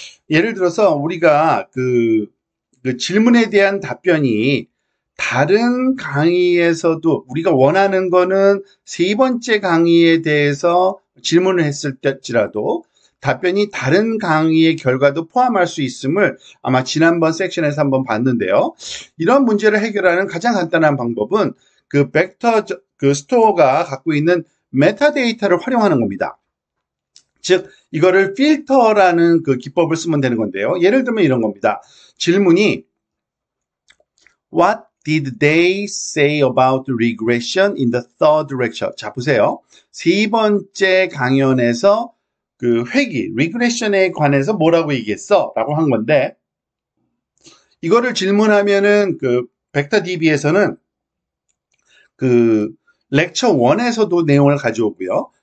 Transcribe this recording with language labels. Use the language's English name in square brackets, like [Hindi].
[Korean] 예를 들어서 우리가 그 질문에 대한 답변이 다른 강의에서도 우리가 원하는 거는 세 번째 강의에 대해서 질문을 했을 때지라도 답변이 다른 강의의 결과도 포함할 수 있음을 아마 지난번 섹션에서 한번 봤는데요. 이런 문제를 해결하는 가장 간단한 방법은 그 벡터 그 스토어가 갖고 있는 메타데이터를 활용하는 겁니다. 즉, 이거를 필터라는 그 기법을 쓰면 되는 건데요. 예를 들면 이런 겁니다. 질문이 [English] What Did they say about regression in the third lecture? [Korean] 자, 보세요. 세 번째 강연에서 그 회귀, regression에 관해서 뭐라고 얘기했어? 라고 한 건데, 이거를 질문하면은 그 벡터DB에서는 그 lecture 1에서도 내용을 가져오고요.